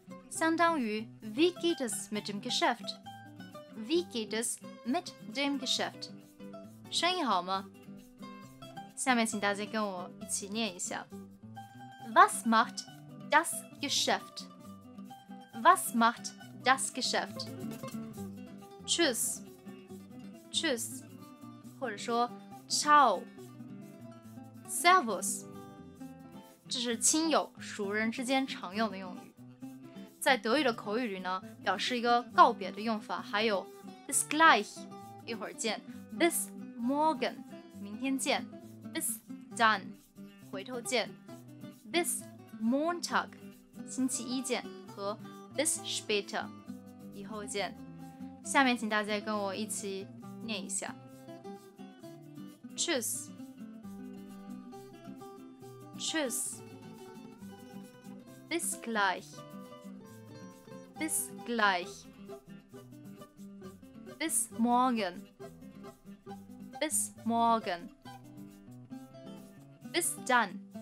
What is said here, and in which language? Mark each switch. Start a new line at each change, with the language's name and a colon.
Chinese: 相当于
German: Wie geht es mit dem Geschäft? Wie geht es mit dem Geschäft?
Chinese: 生意好吗？下面请大家跟我一起念一下。
German: Was macht das Geschäft? Was macht das Geschäft? Tschüss. Tschüss.
Chinese: 或者说 Ciao. Servus. 这是亲友熟人之间常用的用语。在德语的口语里呢，表示一个告别的用法还有
German: Bis gleich.
Chinese: 一会儿见
German: Bis morgen.
Chinese: 明天见
German: Bis dann.
Chinese: 回头见
German: This Montag,
Chinese: 星期一见和
German: This später,
Chinese: 以后见。下面请大家跟我一起念一下。
German: Tschüss, Tschüss, Bis gleich, Bis gleich, Bis morgen, Bis morgen, Bis dann.